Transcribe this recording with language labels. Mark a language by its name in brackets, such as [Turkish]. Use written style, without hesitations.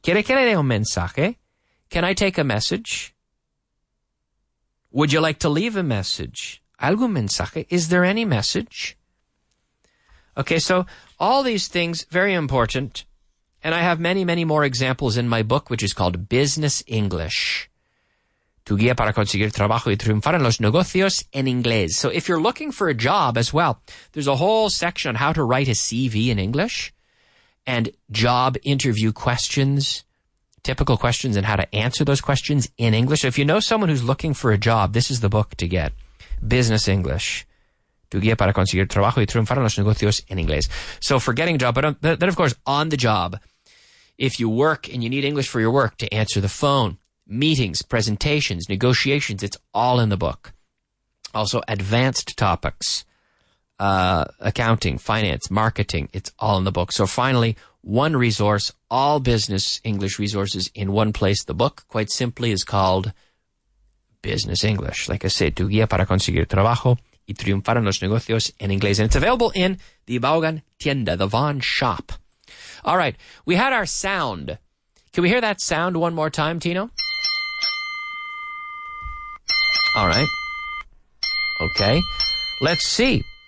[Spanish] ¿Quiere que le dé un mensaje? [English] Can I take a message? Would you like to leave a message? [Spanish] ¿Algún mensaje? [English] Is there any message? Okay, so all these things, very important. And I have many, many more examples in my book, which is called Business English. [Spanish] Tu guía para conseguir trabajo y triunfar en los negocios en inglés. [English] So if you're looking for a job as well, there's a whole section on how to write a CV in English and job interview questions, typical questions and how to answer those questions in English. So if you know someone who's looking for a job, this is the book to get. Business English. [Spanish] Tu guía para conseguir trabajo y triunfar en los negocios en inglés. [English] So for getting a job, but then of course on the job, if you work and you need English for your work to answer the phone, meetings, presentations, negotiations, it's all in the book. Also advanced topics, accounting, finance, marketing, it's all in the book. So finally, one resource, all business English resources in one place. The book, quite simply, is called Business English. Like I said, [Spanish] Tu guía para conseguir trabajo y triunfar en los negocios en inglés. [English] And it's available in the Vaughan tienda, the Vaughan shop. All right, we had our sound. Can we hear that sound one more time, Tino? All right. Okay. Let's see.